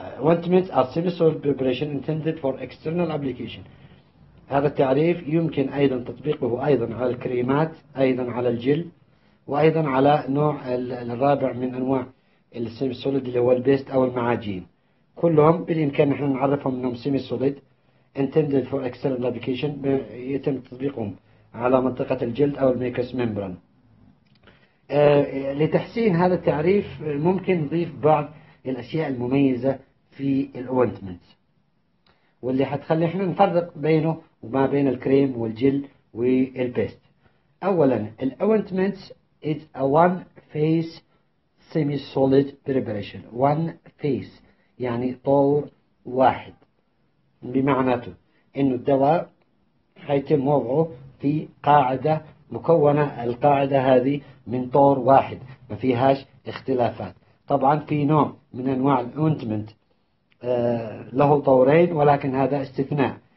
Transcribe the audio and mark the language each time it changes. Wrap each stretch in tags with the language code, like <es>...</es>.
<en>Ointments are semi-solid preparation intended for external application.</en> <ar>هذا التعريف يمكن أيضا تطبيقه أيضا على الكريمات، أيضا على الجلد، وأيضا على نوع الرابع من أنواع السيمي-solid اللي هو البيست أو المعاجين. كلهم بالإمكان نحن نعرفهم أنهم</ar> <en>semi solid intended for external application،</en> <ar>يتم تطبيقهم على منطقة الجلد أو الميكوس ميمبران. لتحسين هذا التعريف ممكن نضيف بعض الأشياء المميزة في الأوينتمنت، واللي حتخلي احنا نفرق بينه وما بين الكريم والجل والبيست. أولا الأوينتمنت</ar> <en>is a one phase semi solid preparation. One phase</en> <ar>يعني طور واحد، بمعناته انه الدواء حيتم وضعه في قاعده مكونه، القاعده هذه من طور واحد ما فيهاش اختلافات. طبعا في نوع من انواع الاونتمنت له طورين، ولكن هذا استثناء.</ar>